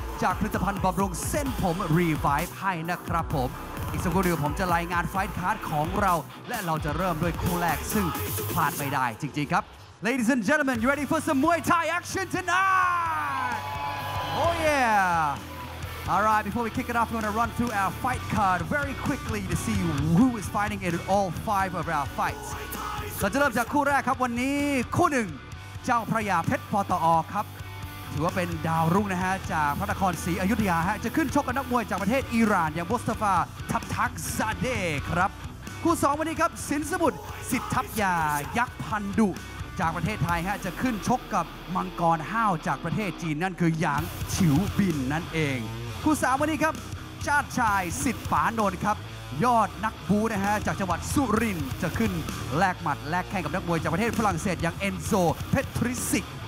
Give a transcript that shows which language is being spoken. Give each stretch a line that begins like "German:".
Thai: จากผลิตภัณฑ์บำรุงเส้นผมรีไวฟ์ให้นะครับผมอีกสักครู่เดียวผมจะรายงานไฟท์คาร์ดของเราและเราจะเริ่มด้วยคู่แรกซึ่งพลาดไม่ได้จริงๆครับ
English: Ladies and gentlemen, you ready for some Muay Thai action tonight? Oh yeah! Alright, before we kick it off, we're gonna run through our fight card very quickly to see who is fighting in all five of our fights.
Thai: เราจะเริ่มจากคู่แรกครับวันนี้คู่หนึ่งเจ้าพระยาเพชรปตอครับถือว่าเป็นดาวรุ่งนะฮะจากพระนครศรีอยุธยาฮะจะขึ้นชกกับนักมวยจากประเทศอิหร่านอย่างมุสตาฟาทับทักซาเดครับ คู่2วันนี้ครับสินสมุทรสิทธัพยายักษ์พันดุจากประเทศไทยฮะจะขึ้นชกกับมังกรห้าวจากประเทศจีนนั่นคือหยางฉิวบินนั่นเองคู่3วันนี้ครับชาติชายสิทธิ์ปานนท์ครับยอดนักบูนะฮะจากจังหวัดสุรินทร์จะขึ้นแลกหมัดแลกแข้งกับนักมวยจากประเทศฝรั่งเศสอย่างเอนโซเพทริซิก